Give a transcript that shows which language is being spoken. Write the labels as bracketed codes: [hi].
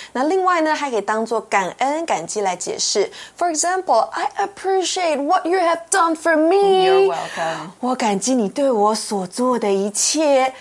[zh] 那另外呢，还可以当作感恩、感激来解释。 [en] For example, I appreciate what you have done for me. You're welcome. [zh] 我感激你对我所做的一切。